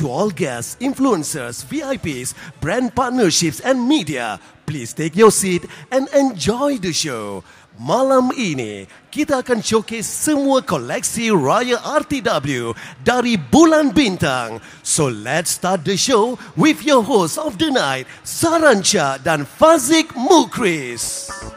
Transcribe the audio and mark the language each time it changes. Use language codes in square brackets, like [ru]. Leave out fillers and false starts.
[en] To all guests, influencers, VIPs, brand partnerships and media, please take your seat and enjoy the show. [ms] Malam ini, kita akan showcase semua koleksi Raya RTW dari Bulan Bintang. [en] So let's start the show with your host of the night, Sarancha dan Fazik Mukris.